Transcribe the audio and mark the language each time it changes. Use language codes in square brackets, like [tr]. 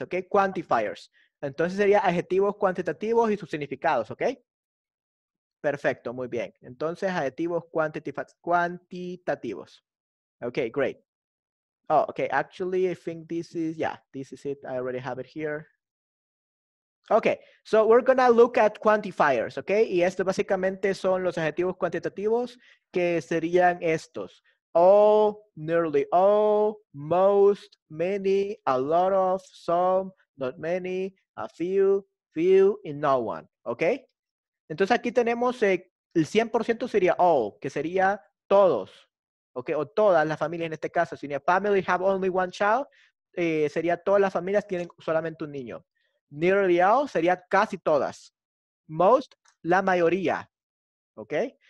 [en] Okay, quantifiers. [es] Entonces sería adjetivos cuantitativos y sus significados. Okay. Perfecto, muy bien. Entonces, adjetivos cuantitativos. [en] Okay, great. Oh, okay. Actually, I think this is, yeah, this is it. I already have it here. Okay, so we're gonna look at quantifiers, okay? [es] Y esto básicamente son los adjetivos cuantitativos que serían estos. [en] All, nearly all, most, many, a lot of, some, not many, a few, few, and no one, okay? [es] Entonces aquí tenemos el 100% sería all, que sería todos, okay, o todas las familias en este caso. Si una [en] family have only one child, [es] sería todas las familias tienen solamente un niño. Nearly all sería casi todas. Most, la mayoría, okay.